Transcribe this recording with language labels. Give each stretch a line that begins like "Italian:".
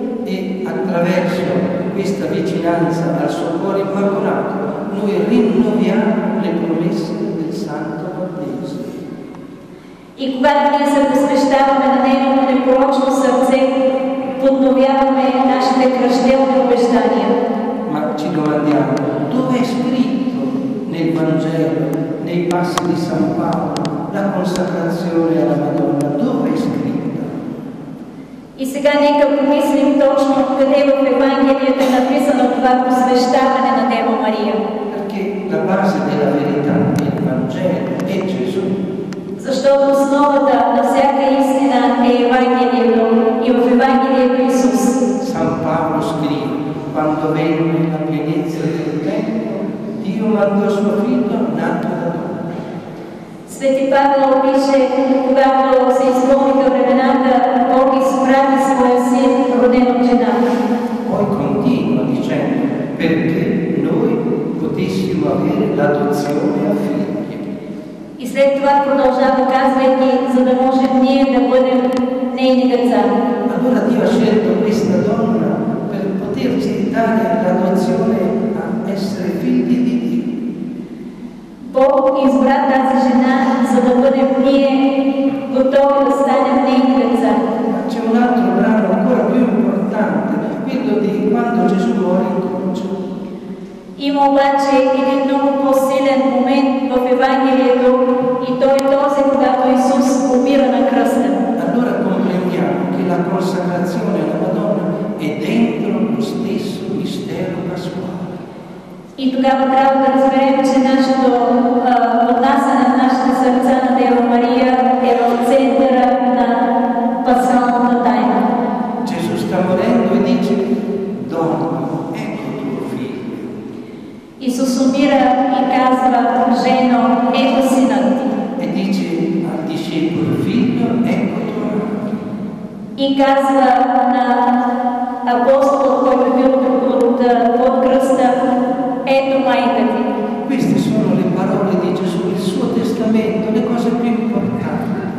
Italian: E attraverso questa vicinanza al suo cuore immacolato, noi rinnoviamo le promesse del Santo Battesimo.
Bulgarian: И когато ние се посвещаваме на нейното непорочно сърце, подновяваме нашите кръщелни обещания.
Italian: Ma ci domandiamo, dove è scritto nel Vangelo, nei passi di San Paolo, la consacrazione alla Madonna? Dove è scritta?
Bulgarian: И сега нека помислим точно къде в Евангелието е написано това посвещаване на Дева Мария.
Italian: Perché la base della verità del Vangelo è Gesù.
Bulgarian: Защото основата на всяка истина е Евангелието и в Евангелието Исус.
Italian: Сан Павло скрива, quando venne la pienezza del tempo, Dio mandò suo figlio nato da donna.
Bulgarian: Свети Павел пише, когато се изпълниха времената, Бог изпрати своя син, роден от жена.
Italian: Poi continua dicendo, perché noi potessimo avere l'adozione a figli.
Bulgarian: И след това продължава казвайки, за да можем ние да бъдем нейни деца.
Italian: Allora Dio ha scelto questa donna potersi dare l'adozione a essere figli di Dio.
Bulgarian: Бог избра тази жена, за да бъдем ние готови да станем нейни деца.
Italian: Ma c'è un altro brano ancora più importante, quello di quando Gesù muore in croce.
Bulgarian: Има обаче един много по-силен момент в Евангелието и той е този, когато Исус умира на кръста.
Italian: Allora comprendiamo che la consacrazione alla Madonna è dentro lo stesso mistero pasquale.
Bulgarian: И тогава трябва да разберем, че нашето отнасяне на нашите сърца на Дева Мария е в центъра на пасхалната тайна.
Italian: Gesù sta morendo e dice, Donna, ecco tuo figlio.
Bulgarian: Исус умира и казва, Жено, ето сина ти.
Italian: E dice al discepolo, Figlio, ecco tuo figlio.
Bulgarian: И казва на апостол, който е бил от кръста, ето майка ти.
Italian: Queste sono le parole di Gesù, il suo testamento, le cose più importanti.